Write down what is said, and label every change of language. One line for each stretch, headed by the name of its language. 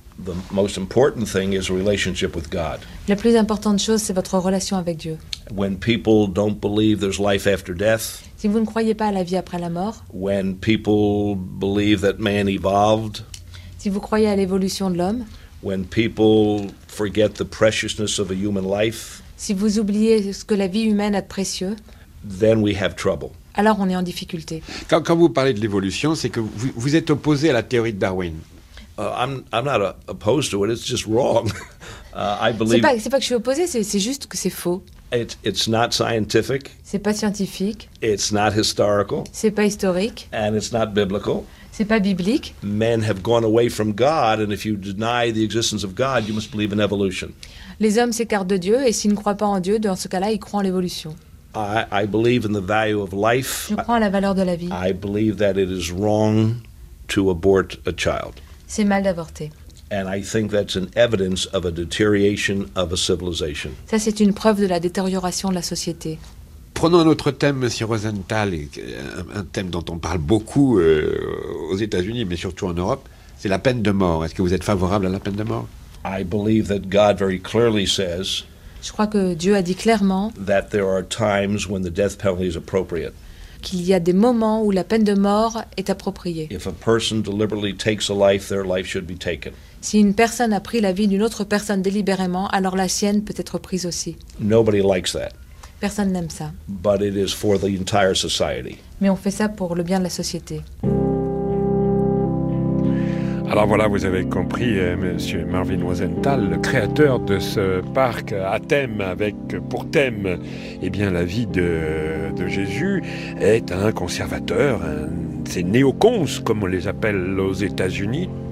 English: The most important thing is relationship with God.
French: La plus importante chose, c'est votre relation avec Dieu.
English: When people don't believe there's life after death.
French: Si vous ne croyez pas à la vie après la mort.
English: When people believe that man evolved.
French: Si vous croyez à l'évolution de l'homme.
English: When people forget the preciousness of a human life.
French: Si vous oubliez ce que la vie humaine a de précieux.
English: Then we have trouble.
French: Alors on est en difficulté. Quand vous parlez de l'évolution, c'est que vous êtes opposé à la théorie de Darwin.
English: I'm not opposed to it. It's just wrong.
French: C'est pas que je suis opposé. C'est juste que c'est faux.
English: It's not scientific.
French: C'est pas scientifique.
English: It's not historical.
French: C'est pas historique.
English: And it's not biblical.
French: C'est pas biblique.
English: Men have gone away from God, and if you deny the existence of God, you must believe in evolution.
French: Les hommes s'écartent de Dieu, et s'ils ne croient pas en Dieu, dans ce cas-là, ils croient en l'évolution.
English: I believe in the value of life.
French: Je crois en la valeur de la vie.
English: I believe that it is wrong to abort a child.
French: C'est mal d'avorter.
English: And I think that's an evidence of a deterioration of a civilization.
French: Ça, c'est une preuve de la détérioration de la société. Prenons un autre thème, Monsieur Rosenthal, un thème dont on parle beaucoup aux États-Unis, mais surtout en Europe, c'est la peine de mort. Est-ce que vous êtes favorable à la peine de mort?
English: I believe that God very clearly says.
French: Je crois que Dieu a dit clairement
English: that there are times when the death penalty is appropriate.
French: Qu'il y a des moments où la peine de mort est appropriée.
English: If a person deliberately takes a life, their life should be taken.
French: Si une personne a pris la vie d'une autre personne délibérément, alors la sienne peut être prise aussi.
English: Nobody likes that.
French: Personne n'aime ça.
English: But it is for the entire society.
French: Mais on fait ça pour le bien de la société. Alors voilà, vous avez compris, Monsieur Marvin Rosenthal, le créateur de ce parc à thème, avec pour thème, eh bien, la vie de Jésus, est un conservateur, ces néocons, comme on les appelle aux États-Unis.